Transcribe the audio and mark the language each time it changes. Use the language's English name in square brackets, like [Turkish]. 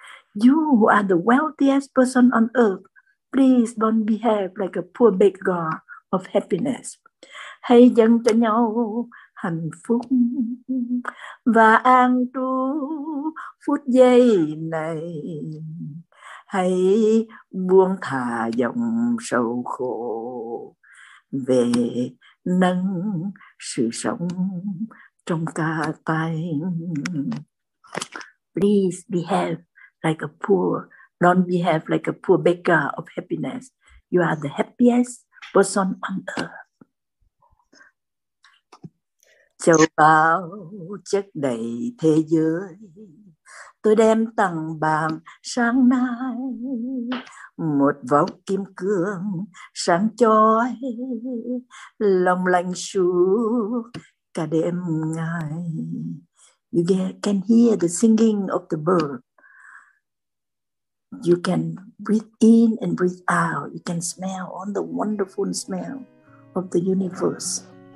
[English] You who are the wealthiest person on earth, please don't behave like a poor beggar of happiness. [Vietnamese] Hãy dâng cho nhau hạnh phúc và an trú phút giây này. Hãy buông thả dòng sầu khổ, về nâng sự sống trong cả tay. [English] Please behave like a poor, don't behave like a poor beggar of happiness. You are the happiest person on earth. [Vietnamese] Châu báu chất đầy thế giới, tôi đem tặng bạn sáng nay. Một vóc kim cương sáng chói, lòng lành suốt cả đêm ngày. [English] You can hear the singing of the bird. You can breathe in and breathe out. You can smell all the wonderful smell of the universe.